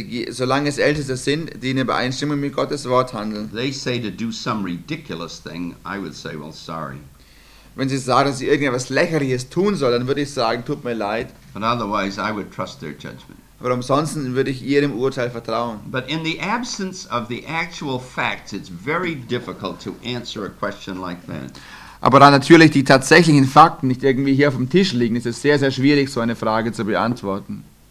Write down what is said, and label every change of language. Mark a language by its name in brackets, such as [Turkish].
[German] Solange es Älteste sind, die in Übereinstimmung mit Gottes Wort handeln. [English] They say to do some ridiculous thing, I would say, well, sorry. [German] Wenn sie sagen, dass sie irgendetwas Lächerliches tun sollen, dann würde ich sagen, tut mir leid. [English] But otherwise, I would trust their judgment. [German] Aber ansonsten würde ich ihrem Urteil vertrauen. [English] But in the absence of the actual facts, it's very difficult to answer a question like that. [German] Aber da natürlich die tatsächlichen Fakten nicht irgendwie hier auf dem Tisch liegen, ist es sehr, sehr schwierig, so eine Frage zu beantworten.